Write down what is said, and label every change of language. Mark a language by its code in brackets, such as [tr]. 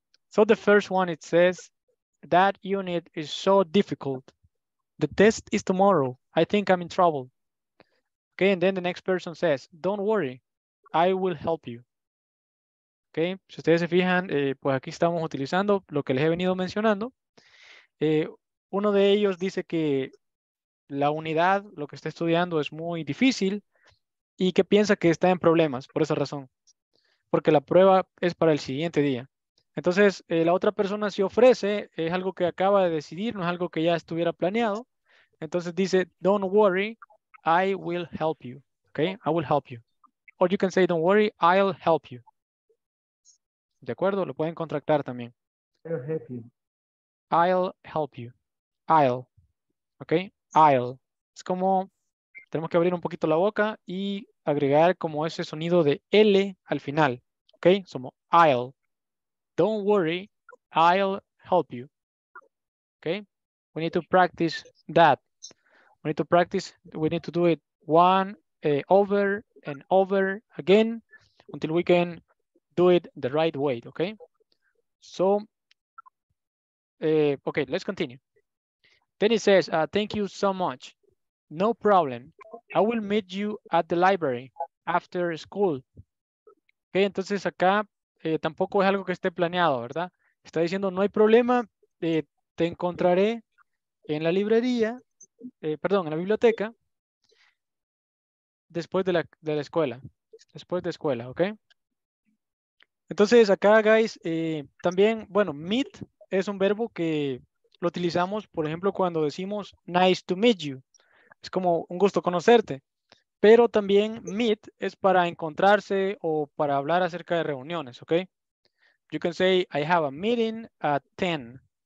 [en] So the first one, it says that unit is so difficult. The test is tomorrow. I think I'm in trouble. Okay, and then the next person says, don't worry, I will help you. [es] Okay, si ustedes se fijan, pues aquí estamos utilizando lo que les he venido mencionando. Uno de ellos dice que la unidad, lo que está estudiando, es muy difícil y que piensa que está en problemas por esa razón, porque la prueba es para el siguiente día. Entonces, la otra persona se ofrece, es algo que acaba de decidir, no es algo que ya estuviera planeado. Entonces dice, [en] don't worry, I will help you. Okay, I will help you. Or you can say, don't worry, I'll help you. [es] ¿De acuerdo? Lo pueden contractar también. [en] I'll help you. I'll help you. I'll. Okay, I'll. [es] Es como, tenemos que abrir un poquito la boca y agregar como ese sonido de L al final. [en] Okay, somos I'll. Don't worry, I'll help you. Okay? We need to practice that. We need to practice, we need to do it one over and over again until we can do it the right way, okay? So, okay, let's continue. Then it says, thank you so much. No problem. I will meet you at the library after school. [es] Okay, entonces acá, tampoco es algo que esté planeado, ¿verdad? Está diciendo, no hay problema, te encontraré en la librería, perdón, en la biblioteca, después de la escuela, después de escuela, ¿ok? Entonces, acá, guys, también, bueno, meet es un verbo que lo utilizamos, por ejemplo, cuando decimos [en] nice to meet you. [es] Es como un gusto conocerte. Pero también meet es para encontrarse o para hablar acerca de reuniones, ¿ok? [en] You can say, I have a meeting at 10.